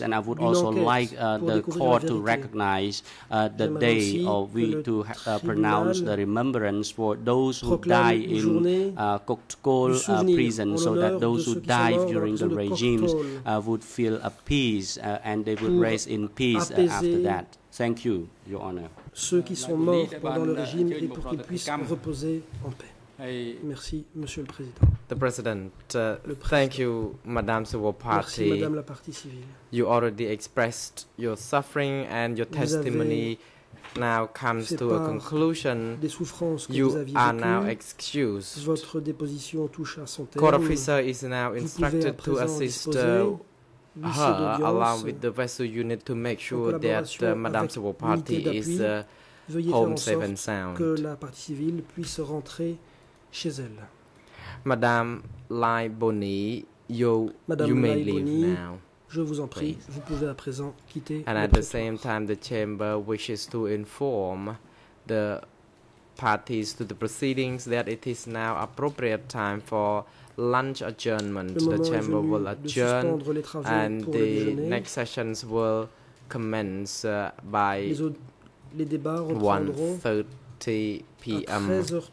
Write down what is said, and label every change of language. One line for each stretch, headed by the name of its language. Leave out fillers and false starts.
English: And I would also like the court to recognize the day of we to pronounce the remembrance for those who die in Kokkol prison, so that those who die during the regimes would feel a peace and they would rest in peace after that. Thank you, Your Honor.
French: Ceux qui sont morts pendant le régime et pour qu'ils puissent reposer en paix. Merci, Monsieur le Président.
English: The President, thank you, Madame Civil Party.
French: Merci, Madame la Partie Civile.
English: You already expressed your suffering and your testimony. Now comes to a conclusion. You are now excused.
French: Votre déposition touche à son terme.
English: Court officer is now instructed to assist her, along with the vessel unit, to make sure that Madame Civil Party is home safe and sound.
French: Que la partie civile puisse rentrer chez elle.
English: Madame Lai Bony, you may leave now.
French: Je vous en prie, vous pouvez à présent quitter.
English: And at the same time, the chamber wishes to inform the parties to the proceedings that it is now appropriate time for lunch adjournment. The chamber will adjourn, and the next sessions will commence by 1:30 p.m.